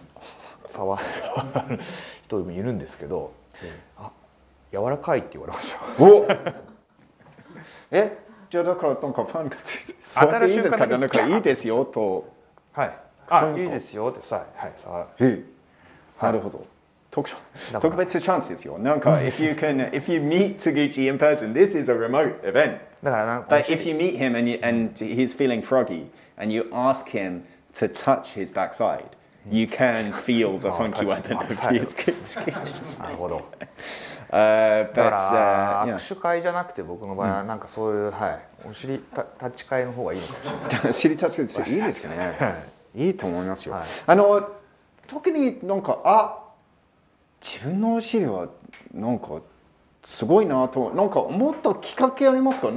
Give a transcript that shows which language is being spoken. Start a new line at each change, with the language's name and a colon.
Japanese: あ、触る人もいるんですけど、あ、柔らかいって言われました。お、え、じゃあだからなんかファンがついて触っていいですか、じゃなくていいですよと、はい、あ、いいですよってさ、はい、触る、なるほど、特別チャンスですよ。
English: なんか if you can if you meet Taguchi in person, this is a remote event.
Japanese: だからなんか、
English: but if you meet him and he's feeling froggy and you ask him to touch his backside, you can feel the funky weapon of his Taguchi.
Japanese: なるほど。
English: But,
Japanese: だから握手会じゃなくて僕の場合はなんかそういう、はい、お尻タッチ会の方がいいのかもしれない。お尻タッチ会っていいですね。いいと思いますよ。はい、特になんか、あ、自分のお尻はなんかすごいなと、なんかもっときっかけありますか。